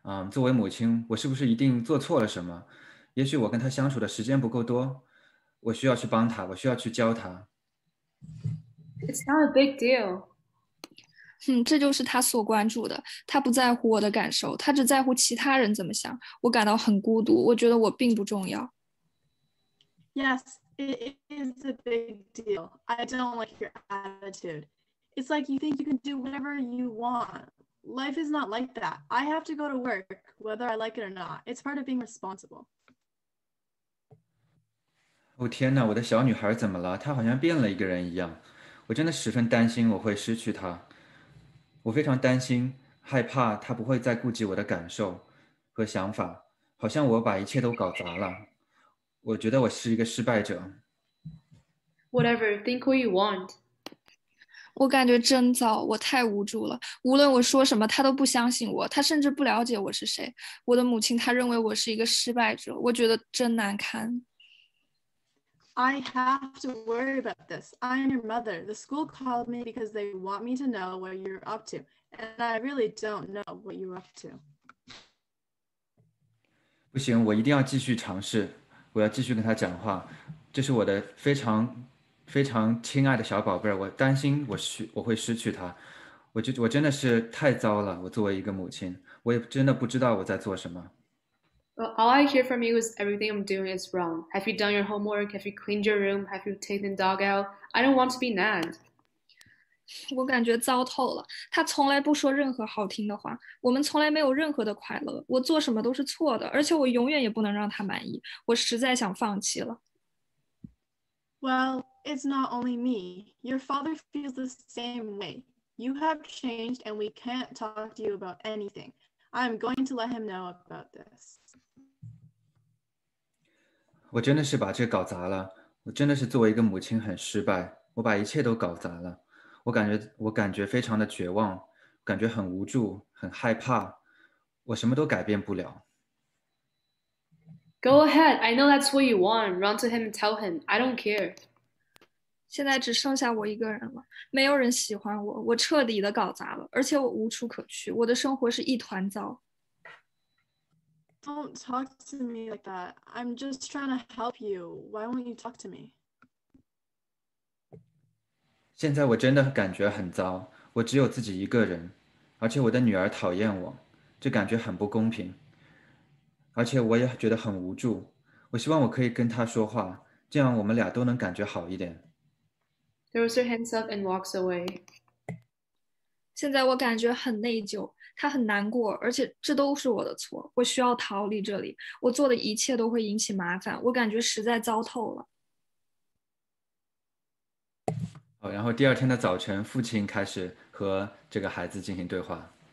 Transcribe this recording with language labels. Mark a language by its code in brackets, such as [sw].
[zh] 作为母亲，我是不是一定做错了什么？也许我跟他相处的时间不够多，我需要去帮他，我需要去教他。 [en] It's not a big deal. [zh] 这就是他所关注的。他不在乎我的感受，他只在乎其他人怎么想。我感到很孤独，我觉得我并不重要。 [en] Yes, it is a big deal. I don't like your attitude. It's like you think you can do whatever you want. Life is not like that. I have to go to work, whether I like it or not. It's part of being responsible. [zh] 哦天哪，我的小女孩怎么了？她好像变了一个人一样，我真的十分担心我会失去她。我非常担心，害怕她不会再顾及我的感受和想法，好像我把一切都搞砸了。我觉得我是一个失败者。 [en] Whatever, think what you want. [zh] 我感觉真糟，我太无助了。无论我说什么，他都不相信我，他甚至不了解我是谁。我的母亲，她认为我是一个失败者，我觉得真难堪。 [en] I have to worry about this. I'm your mother. The school called me because they want me to know what you're up to, and I really don't know what you're up to. [zh] 不行，我一定要继续尝试，我要继续跟他讲话。这是我的非常非常亲爱的小宝贝儿，我担心我会失去他。我真的是太糟了，我作为一个母亲，我也真的不知道我在做什么。 [en] Well, all I hear from you is everything I'm doing is wrong. Have you done your homework? Have you cleaned your room? Have you taken the dog out? I don't want to be nagged. [zh] 我感觉糟透了，他从来不说任何好听的话，我们从来没有任何的快乐，我做什么都是错的，而且我永远也不能让他满意，我实在想放弃了。 [en] Well, it's not only me. Your father feels the same way. You have changed and we can't talk to you about anything. I'm going to let him know about this. [zh] 我真的是把这搞砸了。我真的是作为一个母亲很失败。我把一切都搞砸了。我感觉非常的绝望，感觉很无助，很害怕。我什么都改变不了。 [en] Go ahead. I know that's what you want. Run to him and tell him. I don't care. [zh] 现在只剩下我一个人了，没有人喜欢我，我彻底的搞砸了，而且我无处可去，我的生活是一团糟。 [en] Don't talk to me like that. I'm just trying to help you. Why won't you talk to me? [zh] 现在我真的感觉很糟，我只有自己一个人，而且我的女儿讨厌我，这感觉很不公平。而且我也觉得很无助，我希望我可以跟他说话，这样我们俩都能感觉好一点。 [en] Throws her hands up and walks away. [zh] 现在我感觉很内疚，他很难过，而且这都是我的错，我需要逃离这里，我做的一切都会引起麻烦，我感觉实在糟透了。好，然后第二天的早晨，父亲开始和这个孩子进行对话。